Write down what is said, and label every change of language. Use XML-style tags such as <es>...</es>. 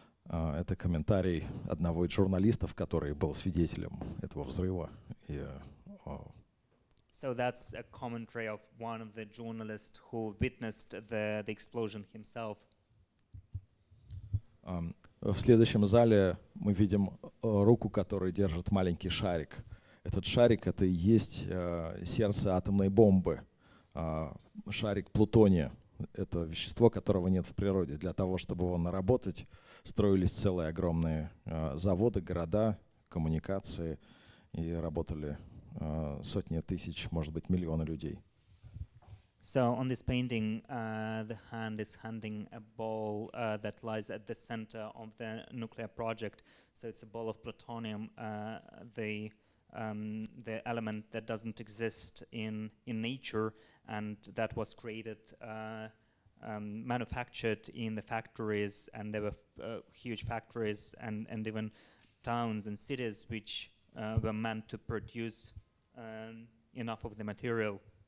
<ru>Это комментарий одного из журналистов, который был свидетелем этого взрыва.</ru> <en>So that's a commentary of one of the journalists who witnessed the explosion himself.</en> <ru>В следующем зале мы видим руку, которая держит маленький шарик. Этот шарик — это и есть сердце атомной бомбы, шарик плутония. это вещество, которого нет в природе. Для того, чтобы его наработать, строились целые огромные заводы, города, коммуникации, и работали сотни тысяч, может быть, миллионы людей.</ru> <en>So on this painting, the hand is handing a ball that lies at the center of the nuclear project. So it's a ball of plutonium, the element that doesn't exist in nature, and that was created, manufactured in the factories, and there were huge factories and even towns and cities which were meant to produce enough of the material.</en>